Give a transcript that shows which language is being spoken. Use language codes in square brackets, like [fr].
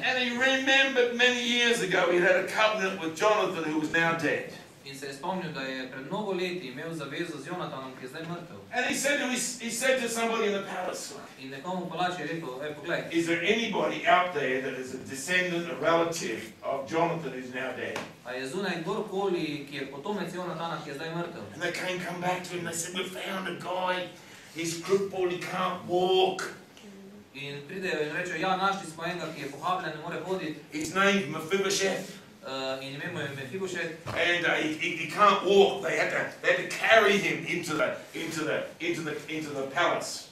[en] And he remembered many years ago he had a covenant with Jonathan who was now dead. [sl] In se je spomnil, da je pred mnogo leti imel zavezo z Jonatanom, ki je zdaj mrtev. [en] And he said to somebody in the palace. [sl] In nekomu v palači je rekel, ej, poglej. [en] Is there anybody out there that is a descendant, a relative of Jonathan who's now dead? [sl] A je zunaj kdorkoli, ki je potomec Jonatana, ki je zdaj mrtev. [en] And they came come back to him and said, we found a guy. He's crippled, he can't walk. [sl] In pridejo in rečejo, ja, našli smo enega, ki je pohabljen, ne more hoditi. [en] His name is Mephibosheth. [sl] In ime mu je Mephibosheth. [en] And he can't walk. They had to carry him into the palace.